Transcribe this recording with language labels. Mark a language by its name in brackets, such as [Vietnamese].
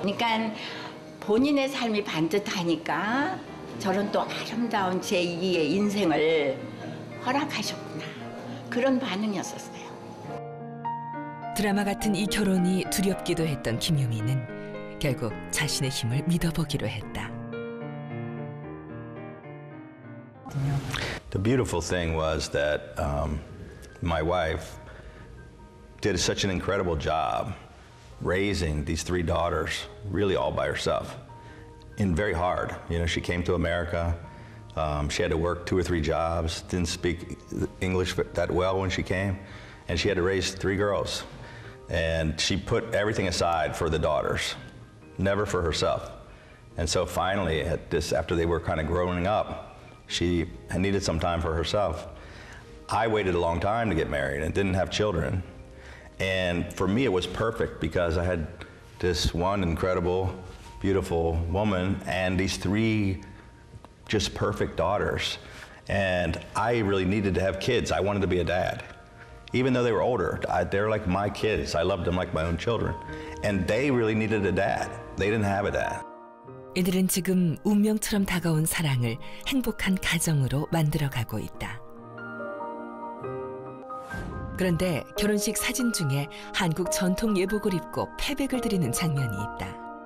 [Korean] 그러니까 본인의 삶이 반듯하니까 저런 또 아름다운 제2의 인생을 허락하셨구나. 그런 반응이었어요. 드라마 같은 이 결혼이 두렵기도 했던 김유미는 결국 자신의 힘을 믿어보기로 했다. [English] The beautiful thing was that my wife did such an incredible job raising these three daughters really all by herself. And very hard. You know, she came to America. She had to work two or three jobs, didn't speak English that well when she came. And she had to raise three girls. And she put everything aside for the daughters, never for herself. And so finally, after they were kind of growing up, she needed some time for herself. I waited a long time to get married and didn't have children. And for me, it was perfect because I had this one incredible, beautiful woman and these three just perfect daughters. And I really needed to have kids. I wanted to be a dad. Even though they were older, they're like my kids. I loved them like my own children. And they really needed a dad. They didn't have a dad. [Korean] 이들은 지금 운명처럼 다가온 사랑을 행복한 가정으로 만들어가고 있다. 그런데 결혼식 사진 중에 한국 전통 예복을 입고 패백을 드리는 장면이 있다.